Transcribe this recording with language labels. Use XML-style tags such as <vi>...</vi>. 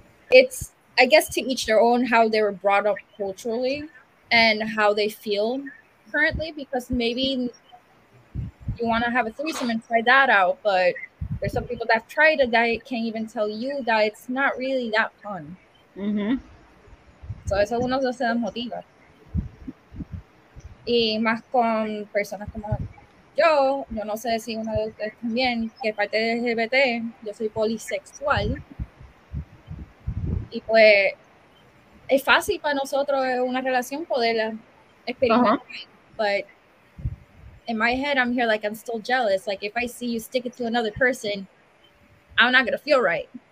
<en>It's, I guess, to each their own how they were brought up culturally. And how they feel currently, because maybe you want to have a threesome and try that out, but there's some people that have tried it that can't even tell you that it's not really that fun.</en> <es>Mm-hmm. So eso es uno de los motivos. Y más con personas como yo, yo no sé si una de ustedes también, que parte de LGBT, yo soy polisexual. Y pues... Es fácil para nosotros una relación poder experimentar. Uh-huh.</es> <en>But in my head, I'm here like I'm still jealous. Like if I see you stick it to another person, I'm not gonna feel right.</en>